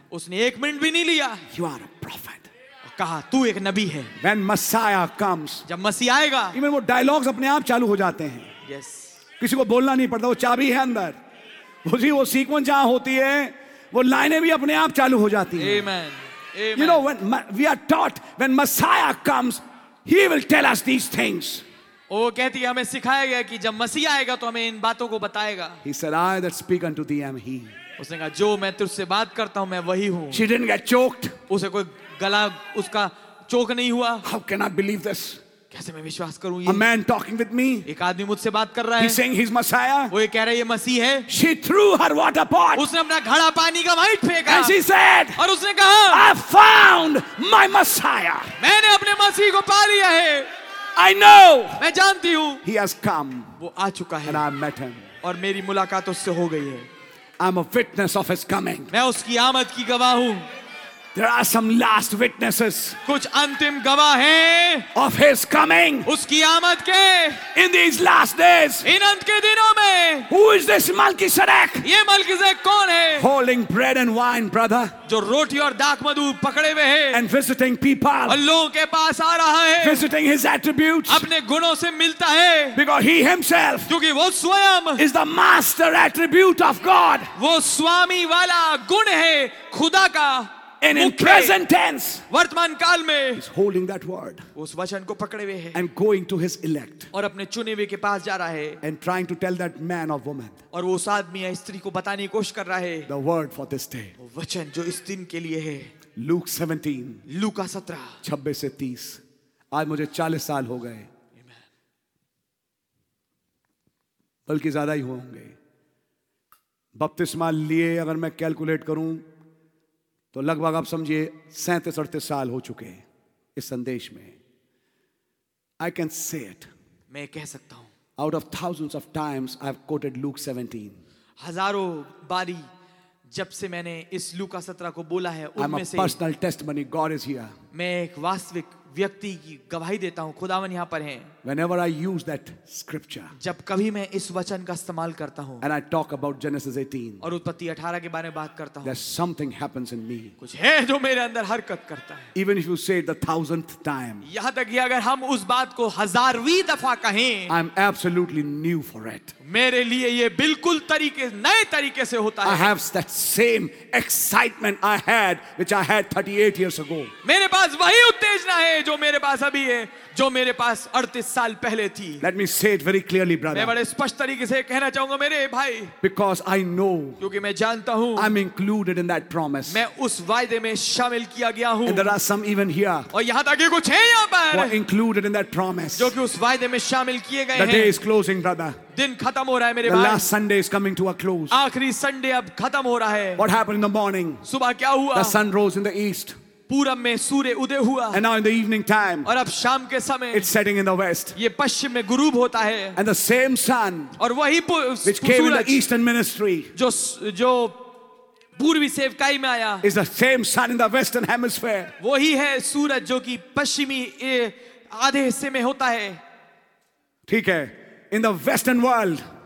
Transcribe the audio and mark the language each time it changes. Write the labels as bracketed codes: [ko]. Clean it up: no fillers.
[hi] उसने एक मिनट भी नहीं लिया। [en] you are a prophet, [hi] कहा तू एक नबी है। [en] When Messiah comes, [hi] जब मसीह आएगा, इवन वो डायलॉग्स अपने आप चालू हो जाते हैं। [en] Yes. [hi] किसी को बोलना नहीं पड़ता, वो चाबी है अंदर, वो सीक्वेंस जहां होती है वो लाइनें भी अपने आप चालू हो जाती [en] हैं। Amen. You know, when we are taught, when Messiah comes, he will tell us these things. [hi] वो कहती है हमें सिखाया गया कि जब मसीह आएगा तो हमें इन बातों को बताएगा। [en] He said, I that speak unto thee am he. [hi] उसने कहा जो मैं तुझसे बात करता हूं मैं वही हूं। [en] She didn't get choked. [hi] उसे कोई गला उसका चोक नहीं हुआ। [en] How can I believe this? [hi] कैसे मैं विश्वास करूं? [en] A man talking with me. [hi] एक आदमी मुझसे बात कर रहा है। [en] He's saying he's Messiah. [hi] वो ये कह रहा है ये मसीह है। [en] She threw her water pot. [hi] उसने अपना घड़ा पानी का वाइट फेंका। [en] And she said. [hi] और उसने कहा। [en] I found my Messiah. [hi] मैंने अपने मसीह को पा लिया है। [en] I know. [hi] मैं जानती हूँ। [en] He has come. [hi] वो आ चुका है। [en] And I met him. [hi] और मेरी मुलाकात उससे हो गई है। [en] I'm a witness of his coming. [hi] मैं उसकी आमद की गवाह हूँ। [en] There are some last witnesses. [hi] कुछ अंतिम गवाह हैं. [en] Of his coming. [hi] उसकी आमद के. [en] In these last days. [hi] इन अंत के दिनों में. [en] Who is this Melchizedek? [hi] ये मलकीज़ेक कौन है? [en] Holding bread and wine, brother. [hi] जो रोटी और दाख मधु पकड़े हुए हैं. [en] And visiting people. [hi] लोगों के पास आ रहा है. [en] Visiting his attributes. [hi] अपने गुणों से मिलता है. [en] Because he himself. [hi] क्योंकि वो स्वयं. [en] Is the master attribute of God. [hi] वो स्वामी वाला गुण है खुदा का. [en] And in present tense, [hi] वर्तमान काल में, [en] he's holding that word, [hi] उस वचन को पकड़े हुए है, [en] and going to his elect, [hi] और अपने चुने हुए के पास जा रहा है, [en] and trying to tell that man or woman, [hi] और वो उस आदमी या स्त्री को बताने की कोशिश कर रहा है, [en] the word for this day, [hi] वो वचन जो इस दिन के लिए है, [en] Luke 17, [hi] लूका 17, 26 से 30, आज मुझे 40 साल हो गए, [en] amen, [hi] बल्कि ज्यादा ही होंगे, बपतिस्मा लिए अगर मैं कैलकुलेट करूं तो लगभग आप समझिए 37-38 साल हो चुके हैं इस संदेश में। [en] I can say it, [hi] मैं कह सकता हूं, [en] out of thousands of times I have quoted Luke 17, [hi] हजारों बारी जब से मैंने इस लूका 17 को बोला है उनमें से, [en] personal testimony, God is here, [hi] मैं एक वास्तविक व्यक्ति की गवाही देता हूं खुदावन यहां पर हैं [en] whenever I use that scripture [hi] जब कभी मैं इस वचन का इस्तेमाल करता हूं [en] and I talk about Genesis 18 [hi] और उत्पत्ति 18 के बारे में बात करता हूं [en] there's something happens in me [hi] कुछ है जो मेरे अंदर हरकत करता है [en] even if you say it the 1000th time [hi] यहां तक कि अगर हम उस बात को हजारवीं दफा कहें [en] I'm absolutely new for it [hi] मेरे लिए ये बिल्कुल तरीके नए तरीके से होता है [en] I have that same excitement I had which I had 38 years ago [hi] मेरे पास वही उत्तेजना है जो मेरे पास अभी है जो मेरे पास 38 साल पहले थी [en] Let me say it very clearly, brother. [hi] मैं बड़े स्पष्ट तरीके से कहना चाहूंगा मेरे भाई [en] Because I know [hi] क्योंकि मैं जानता हूं [en] I'm included in that promise [hi] मैं उस वायदे में शामिल किया गया हूं [en] And there are some even here [hi] और यहां तक कि कुछ हैं यहां पर [en] who are included in that promise [hi] जो कि उस वायदे में शामिल किए गए [en] हैं The day is closing, brother. [hi] दिन खत्म हो रहा है मेरे [en] भाई The last Sunday is coming to a close [hi] आखिरी संडे अब खत्म हो रहा है [en] What happened in the morning [hi] सुबह क्या हुआ [en] The sun rose in the east [hi] पूरब में सूर्य उदय हुआ [en] and now in the evening time [hi] और अब शाम के समय [en] it's setting in the west [hi] ये पश्चिम में गुरूब होता है [en] and the same sun [hi] और वही [en] which came in the eastern ministry [hi] जो पूर्वी सेवकाई में आया [en] is the same sun in the western hemisphere [hi] वही है सूरज जो कि पश्चिमी आधे हिस्से में होता है ठीक है [en] in the western world